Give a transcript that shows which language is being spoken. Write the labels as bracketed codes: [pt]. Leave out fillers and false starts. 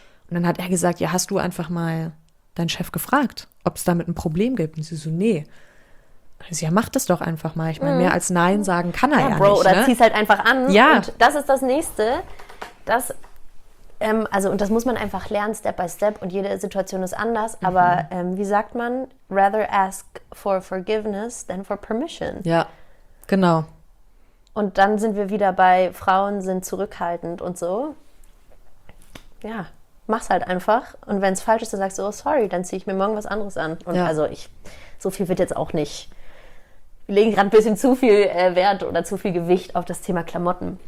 [de] Und dann hat er gesagt, ja, hast du einfach mal deinen Chef gefragt, ob es damit ein Problem gibt? Und sie so, nee. Also, ja, mach das doch einfach mal. Ich meine, mehr als Nein sagen kann er ja, Bro, nicht. Oder ne? Zieh es halt einfach an. Ja. Und das ist das Nächste. Das, also, und das muss man einfach lernen, Step by Step. Und jede Situation ist anders. Mhm. Aber wie sagt man? [en] Rather ask for forgiveness than for permission. [de] Ja, genau. Und dann sind wir wieder bei Frauen sind zurückhaltend und so. Ja, mach's halt einfach. Und wenn es falsch ist, dann sagst du, oh, sorry, dann ziehe ich mir morgen was anderes an. Und ja. Also so viel wird jetzt auch nicht. Wir legen gerade ein bisschen zu viel Wert oder zu viel Gewicht auf das Thema Klamotten.